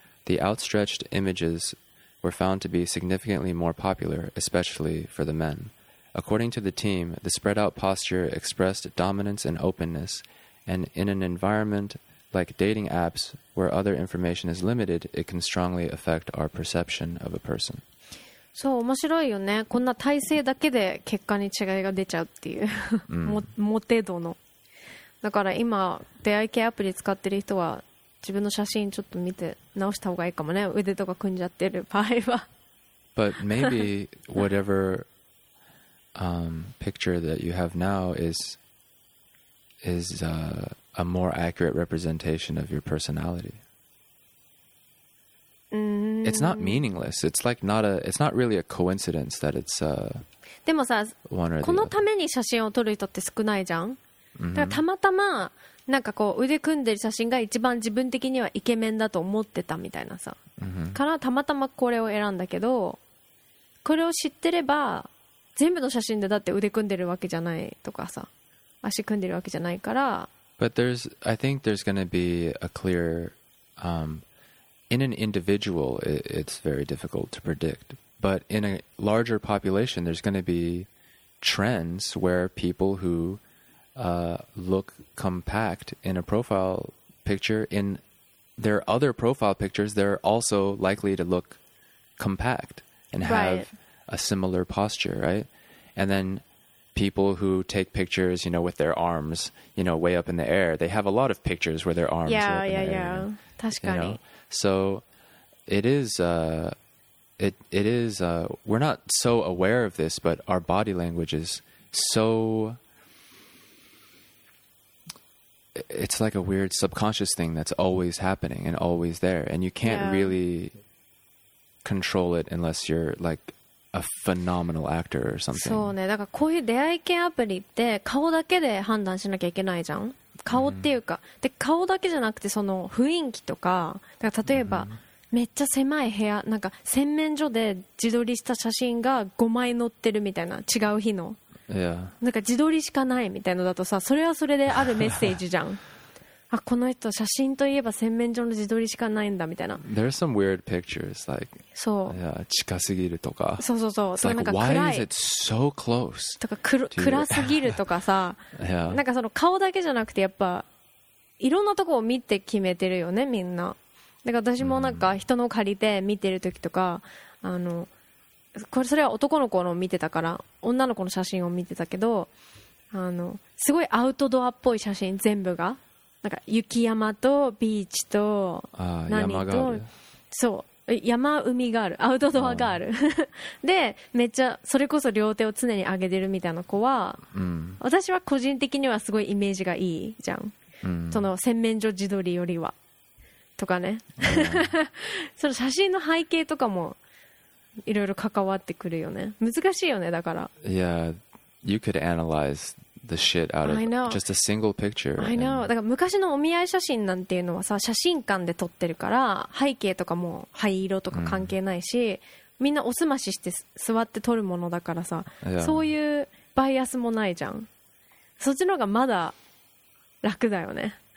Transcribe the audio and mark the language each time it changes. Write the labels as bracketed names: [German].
[English] The outstretched images were found to be significantly more popular, especially for the men. According to the team, the spread-out posture expressed dominance and openness, and in an environment like dating apps, where other information is limited, it can strongly affect our perception of a person. [Japanese] そう、面白いよね。こんな体勢だけで結果に違いが出ちゃうっていう、モテ度の。だから今、出会い系アプリ使ってる人は、自分の写真ちょっと見て直した方がいいかもね。腕とか組んじゃってる場合は。 [English] But maybe whatever... picture that you have now is a more accurate representation of your personality. Mm. It's not meaningless. It's like not a. It's not really a coincidence that it's. [Japanese] でもさ、 [English] one or the [Japanese] このために写真を撮る人って少ないじゃん。 Mm-hmm. だからたまたまなんかこう腕組んでる写真が一番自分的にはイケメンだと思ってたみたいなさ。 Mm-hmm. からたまたまこれを選んだけど、これを知ってれば。全部の写真でだって腕組んでるわけじゃないとかさ、足組んでるわけじゃないから。 [English] But there's, I think there's going to be a clear, in an individual, it's very difficult to predict. But in a larger population, there's going to be trends where people who look compact in a profile picture, in their other profile pictures, they're also likely to look compact and have... Right. a similar posture, right? And then people who take pictures, you know, with their arms, you know, way up in the air, they have a lot of pictures where their arms are up in the air. Yeah, yeah, yeah. [Japanese] 確かに. [English] You know? So it is, we're not so aware of this, but our body language is so, it's like a weird subconscious thing that's always happening and always there. And you can't really control it unless you're like a phenomenal actor or something. [Japanese] そうね。だからこういう出会い系アプリって顔だけで判断しなきゃいけないじゃん。顔っていうか、mm-hmm. で顔だけじゃなくてその雰囲気とか、だから例えば、mm-hmm. めっちゃ狭い部屋、なんか洗面所で自撮りした写真が5枚載ってるみたいな違う日の。 [English] Yeah. [Japanese] なんか自撮りしかないみたいのだとさ、それはそれであるメッセージじゃん。あ、この人写真といえば洗面所の自撮りしかないんだみたいな。 [English] There are some weird pictures, like, [Japanese] そう。 Yeah, 近すぎるとか。そうそうそう。 [English] It's like, [Japanese] なんか暗い。 [English] Why is it so close? [Japanese] とか暗すぎるとかさ。 [English] Yeah. [Japanese] なんかその顔だけじゃなくてやっぱいろんなとこを見て決めてるよねみんな。だから私もなんか人の借りて見てる時とか、mm. あのこれそれは男の子の見てたから女の子の写真を見てたけど、あのすごいアウトドアっぽい写真全部が。なんか雪山とビーチと何と、ああ、山がある。そう、山海がある、アウトドアがある。ああで、めっちゃそれこそ両手を常に上げてるみたいな子は、うん、私は個人的にはすごいイメージがいいじゃん。うん、その洗面所自撮りよりはとかね。その写真の背景とかもいろいろ関わってくるよね。難しいよねだから。 [English] Yeah, you could analyze. The shit out of just a single picture. I know. [Japanese] だから昔のお見合い写真なんていうのはさ、写真館で撮ってるから背景とかも灰色とか関係ないし、mm. みんなおすまししてす座って撮るものだからさ、 [English] yeah. [Japanese] そういうバイアスもないじゃん。そっちの方がまだ楽だよね。